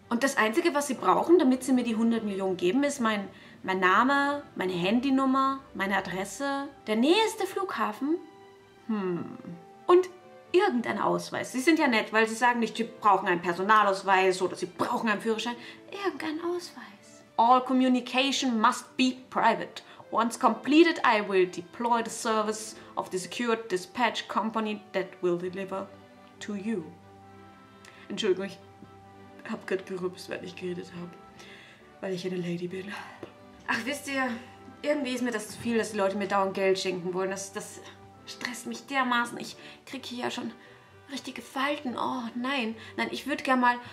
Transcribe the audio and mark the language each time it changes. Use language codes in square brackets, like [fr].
[de] Und das Einzige, was sie brauchen, damit sie mir die 100 Millionen geben, ist mein Name, meine Handynummer, meine Adresse, der nächste Flughafen und irgendein Ausweis. Sie sind ja nett, weil sie sagen nicht, sie brauchen einen Personalausweis oder sie brauchen einen Führerschein. Irgendein Ausweis. [en] All communication must be private. Once completed, I will deploy the service of the secured dispatch company that will deliver to you. [de] Entschuldigung, ich habe gerade gerupst, weil ich geredet habe, weil ich eine Lady bin. Ach, wisst ihr, irgendwie ist mir das zu viel, dass die Leute mir dauernd Geld schenken wollen. Das stresst mich dermaßen. Ich kriege hier ja schon richtige Falten. Oh nein. Nein, ich würde gerne mal...